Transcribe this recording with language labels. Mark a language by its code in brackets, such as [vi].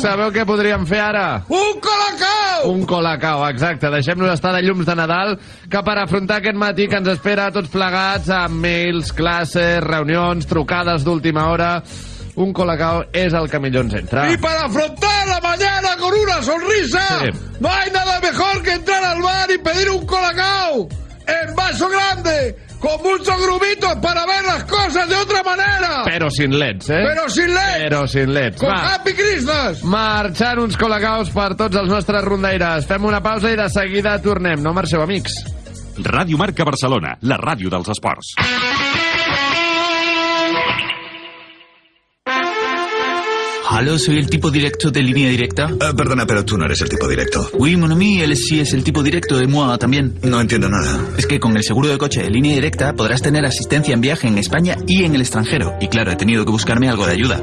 [ca] sabeu què podríem fer ara? Un Colacao! Un Colacao, exacte. Deixem-nos estar de llums de Nadal, que per afrontar aquest matí que ens espera tots plegats amb mails, classes, reunions, trucades d'última hora, un Colacao és el que millor ens entra. I per afrontar [es] la mañana con una sonrisa, no hay nada mejor que entrar al bar y pedir un Colacao en vaso grande, con muchos grumitos para ver las cosas de otra manera. Pero sin leds, ¿eh? Pero sin leds. Pero sin leds. Con Happy Christmas. [ca] Marxant uns colacaos per tots els nostres rondaires. Fem una pausa i de seguida tornem. No marxeu, amics. Ràdio Marca Barcelona, la ràdio dels esports. [es] Aló, soy el tipo directo de Línea Directa. Perdona, pero tú no eres el tipo directo. [fr] Oui, mon ami, [es] él sí es el tipo directo de Moa también. No entiendo nada. Es que con el seguro de coche de Línea Directa podrás tener asistencia en viaje en España y en el extranjero. Y claro, he tenido que buscarme algo de ayuda.